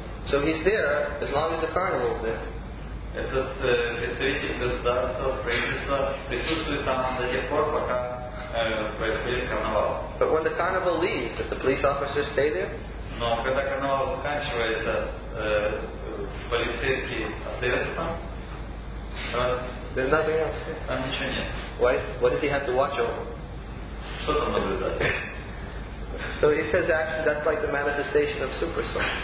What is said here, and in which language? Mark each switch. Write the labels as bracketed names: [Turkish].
[English] So he's there as long as the carnival is there. [Russian] Этот представитель государства, правительства присутствует там до тех пор, пока происходит карнавал. [English] But when the carnival leaves, does the police officer stay there? [Russian] Но когда карнавал заканчивается, полицейский остается там? [English] There's nothing else. [Russian] Там ничего нет. [English] Why? What does he have to watch over? [Russian] Что там наблюдает? [English] So he says actually that's like the manifestation of super soul.